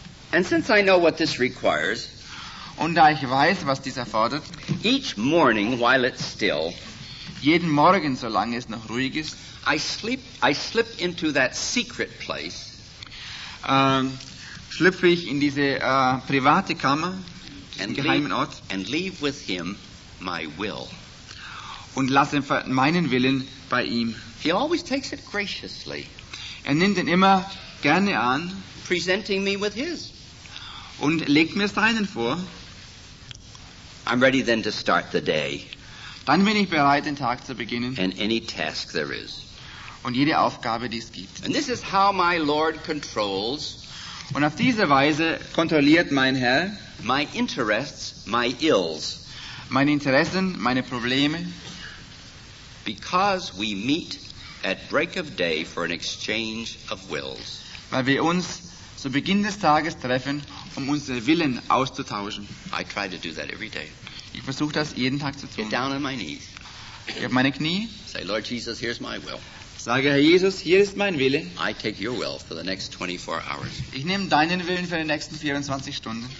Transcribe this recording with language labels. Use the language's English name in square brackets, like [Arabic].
[English] And since I know what this requires, [German] und da ich weiß, was dies erfordert, [English] each morning while it's still, [German] jeden Morgen, solange es noch ruhig ist, [English] I slip into that secret place. [German] Schlüpfe ich in diese private Kammer, [English] and [German] geheimen Ort, [English] and leave with him my will. [German] Und lasse meinen Willen bei ihm. [English] He always takes it graciously. [German] Er nimmt ihn immer gerne an, [English] presenting me with his. [German] Und legt mir seinen vor. [English] I'm ready then to start the day. [German] Dann bin ich bereit, den Tag zu beginnen. [English] And any task there is. [German] Und jede Aufgabe, die es gibt. [English] And this is how my Lord controls, [German] und auf diese Weise kontrolliert mein Herr [English] my interests, my ills, [German] meine Interessen, meine Probleme, [English] because we meet at break of day for an exchange of wills, [German] weil wir uns zu Beginn des Tages treffen, um unsere Willen auszutauschen. [English] I try to do that every day. [German] Ich versuche das jeden Tag zu tun. [English] Get down on my knees. [German] Ich habe meine Knie. [English] Say, Lord Jesus, here's my will. [German] Sage, Herr Jesus, hier ist mein Wille. [English] I take your will for the next 24 hours. [German] Ich nehme deinen Willen für die nächsten 24 Stunden.